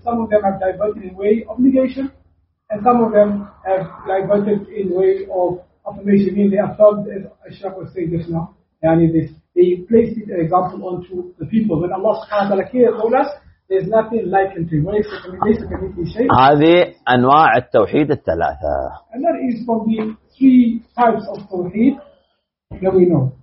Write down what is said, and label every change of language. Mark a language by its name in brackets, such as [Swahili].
[English] Some of them have diverted in way of negation, and some of them have diverted in way of affirmation. I mean, they affirmed, as Ashraf was saying just now, they placed it, an example onto the people. When Allah subhanahu wa ta'ala here told us, there's nothing like him to him. [Arabic] هذه أنواع التوحيد الثلاثة. [English] And that is from the three types of tawheed that we know.